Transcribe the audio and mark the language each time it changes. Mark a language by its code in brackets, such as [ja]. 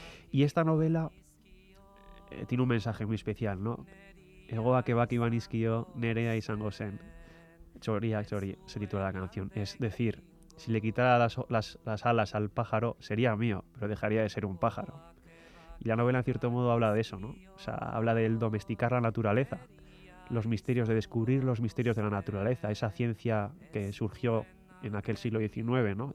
[es] Y esta novela tiene un mensaje muy especial, ¿no? [eu] Egoa kebaki banizkio, nerea izango zen. [es] Txoriak txori, se titula la canción. Es decir, si le quitara las alas al pájaro, sería mío, pero dejaría de ser un pájaro. Y la novela, en cierto modo, habla de eso, ¿no? O sea, habla del domesticar la naturaleza. Los misterios de descubrir, los misterios de la naturaleza, esa ciencia que surgió en aquel siglo XIX, ¿no?